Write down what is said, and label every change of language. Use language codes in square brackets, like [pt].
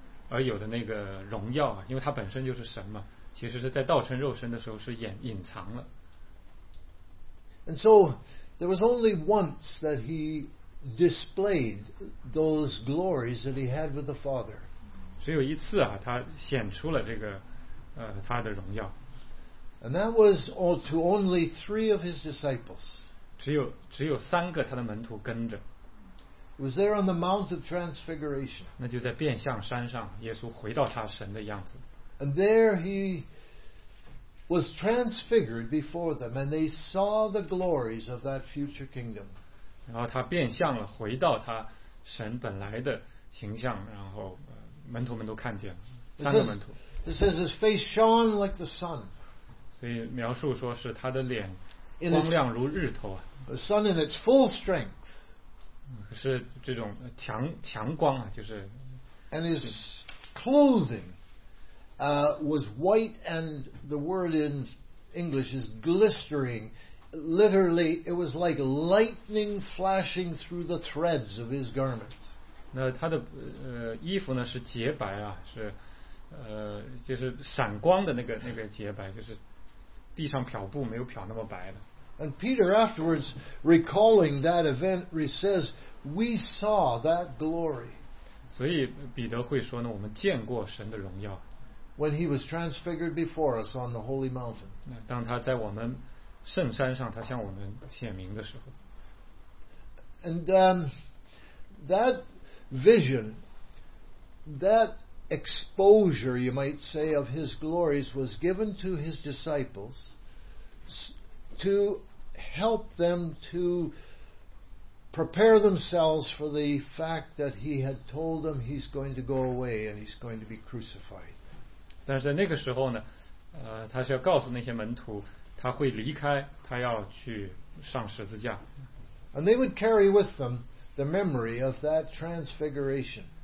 [zh] 但是他因着神而有的那个荣耀, 因为他本身就是神嘛, 其实是在道成肉身的时候是隐藏了。 [en] And so there was only once that he displayed those glories that he had with the Father. [zh] 只有一次啊, 他显出了这个, 他的荣耀。 [en] And that was all to only three of his disciples. [zh] 只有三个他的门徒跟着。 [en] was there on the Mount of Transfiguration. [zh] 那就在变相山上，耶稣回到他神的样子。 [en] And there he was transfigured before them, and they saw the glories of that future kingdom. [zh] 然后他变相了，回到他神本来的形象，然后门徒们都看见了，三个门徒。 [en] It says his face shone like the sun. [zh] 所以描述说是他的脸光亮如日头啊。 [en] The sun in its full strength. [zh] 可是这种强光啊，就是。 [en] And his clothing was white, and the word in English is glistering. Literally, it was like lightning flashing through the threads of his garment. [zh] 那他的衣服呢是洁白啊，是。就是闪光的那个洁白，就是地上漂布没有漂那么白的。 [en] And Peter afterwards recalling that event, he says, "We saw that glory." [zh] 所以彼得会说呢，我们见过神的荣耀。 [en] When he was transfigured before us on the holy mountain. [zh] 当他在我们圣山上，他向我们显明的时候。 [en] And that vision, that exposure, you might say, of his glories was given to his disciples to help them to prepare themselves for the fact that he had told them he's going to go away and he's going to be crucified. [zh] 但是在那个时候呢，他是要告诉那些门徒，他会离开，他要去上十字架。 [en] And they would carry with them the memory of that transfiguration.